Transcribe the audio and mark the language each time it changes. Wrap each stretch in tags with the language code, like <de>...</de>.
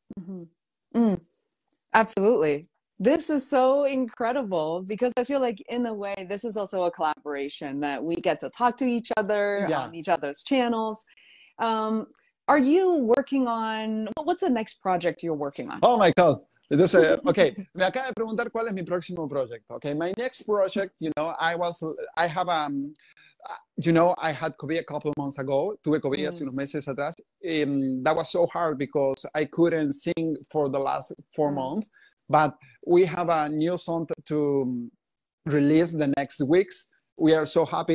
<en>Mm-hmm. Mm. Absolutely. This is so incredible because I feel like in a way, this is also a collaboration that we get to talk to each other yeah. on each other's channels. Are you working on, what's the next project you're working on? Oh my God. This, okay.</en> <es>Me acaba de preguntar cuál es mi próximo proyecto.</es> <en>Okay. My next project, you know, I had COVID a couple of months ago.</en> <es>Tuve COVID hace unos meses atrás.</es> <en>That was so hard because I couldn't sing for the last 4 months. But we have a new song to release the next weeks. We are so happy.</en>